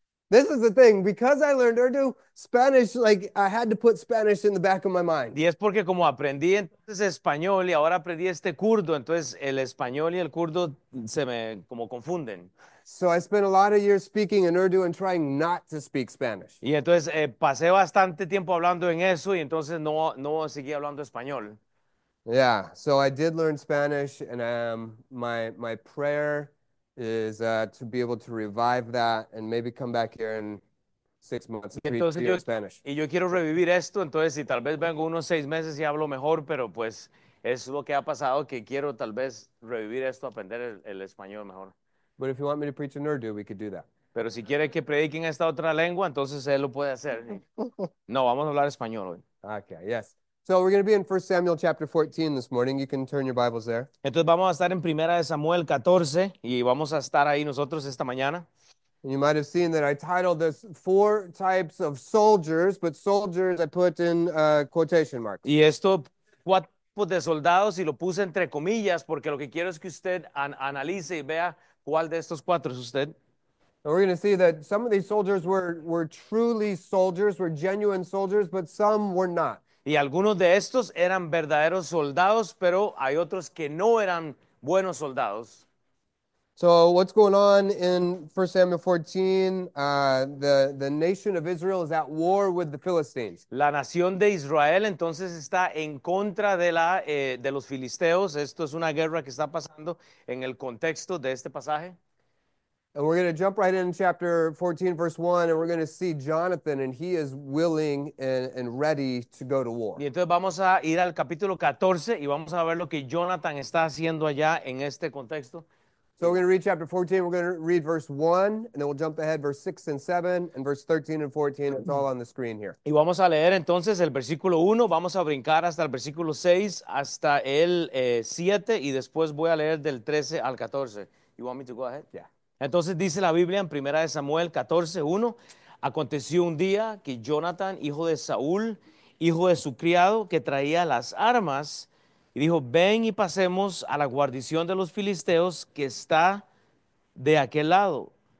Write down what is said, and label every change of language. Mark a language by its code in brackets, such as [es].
[en] This is the thing, because I learned Urdu, Spanish, like I had to put Spanish in the back of my mind. [es] Y es porque como aprendí entonces español y ahora aprendí este kurdo, entonces el español y el kurdo se me como confunden. [en] So I spent a lot of years speaking in Urdu and trying not to speak Spanish. [es] Y entonces pasé bastante tiempo hablando en eso y entonces no seguí hablando español. [en] Yeah, so I did learn Spanish and my prayer is to be able to revive that and maybe come back here in 6 months [es] Y [en] to preach [es] entonces [en] to you in Spanish. [es] yo quiero revivir esto, entonces si tal vez vengo unos 6 meses y hablo mejor, pero pues es lo que ha pasado, que quiero tal vez revivir esto, aprender el español mejor. [en] But if you want me to preach in Urdu, we could do that. [es] Pero si quiere que predique en esta otra lengua, entonces él lo puede hacer. [en] Okay, [es] No, vamos a hablar español hoy. [en] yes. So we're going to be in 1 Samuel chapter 14 this morning. You can turn your Bibles there. [es] Entonces vamos a estar en Primera de Samuel 14 y vamos a estar ahí nosotros esta mañana. [en] And you might have seen that I titled this Four Types of Soldiers, but soldiers I put in quotation marks. [es] Y esto, cuatro tipos de soldados, y lo puse entre comillas, porque lo que quiero es que usted analice y vea cuál de estos cuatro es usted. [en] And we're going to see that some of these soldiers were truly soldiers, were genuine soldiers, but some were not. [es] Y algunos de estos eran verdaderos soldados, pero hay otros que no eran buenos soldados. [en] So what's going on in 1 Samuel 14? The nation of Israel is at war with the Philistines. [es] La nación de Israel entonces está en contra de de los filisteos. Esto es una guerra que está pasando en el contexto de este pasaje. [en] And we're going to jump right in chapter 14, verse 1, and we're going to see Jonathan, and he is willing and ready to go to [es] Y [en] war. [es] entonces vamos a ir al capítulo 14 y vamos a ver lo que Jonathan está haciendo allá en este contexto. [en] So we're going to read chapter 14, we're going to read verse 1, and then we'll jump ahead verse 6 and 7, and verse 13 and 14. It's all on the screen here. [es] Y vamos a leer entonces el versículo 1, vamos a brincar hasta el versículo 6, hasta el 7 y después voy a leer del 13 al 14. [en] You want me to go ahead? [es] Entonces dice la Biblia en 1 Samuel 14, 1, aconteció un día que Jonathan, hijo de Saúl, hijo de su criado que traía las armas, y dijo, ven y pasemos a la guarnición de los filisteos que está de aquel lado.